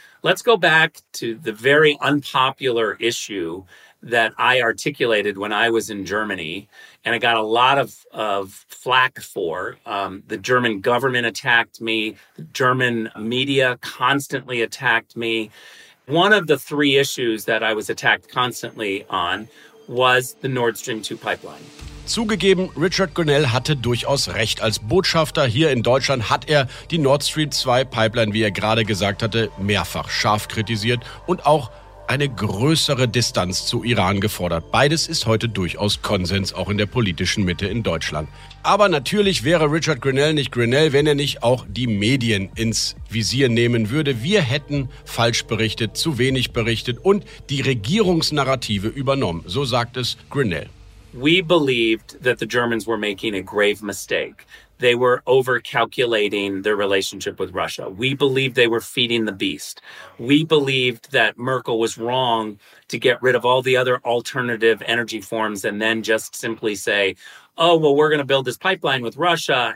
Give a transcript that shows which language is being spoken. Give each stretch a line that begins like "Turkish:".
English: Let's go back to the very unpopular issue that I articulated when I was in Germany, and I got a lot of flack for. The German government attacked me. The German media constantly attacked me. One of the three issues that I was attacked constantly on was the Nord Stream 2 pipeline.
German: Zugegeben, Richard Grenell hatte durchaus recht. Als Botschafter hier in Deutschland hat er die Nord Stream 2 Pipeline, wie er gerade gesagt hatte, mehrfach scharf kritisiert und auch eine größere Distanz zu Iran gefordert. Beides ist heute durchaus Konsens, auch in der politischen Mitte in Deutschland. Aber natürlich wäre Richard Grenell nicht Grenell, wenn er nicht auch die Medien ins Visier nehmen würde. Wir hätten falsch berichtet, zu wenig berichtet und die Regierungsnarrative übernommen. So sagt es Grenell.
English: We believed that the Germans were making a grave mistake. They were overcalculating their relationship with Russia. We believed they were feeding the beast. We believed that Merkel was wrong to get rid of all the other alternative energy forms and then just simply say, oh, well, we're going to build this pipeline with Russia.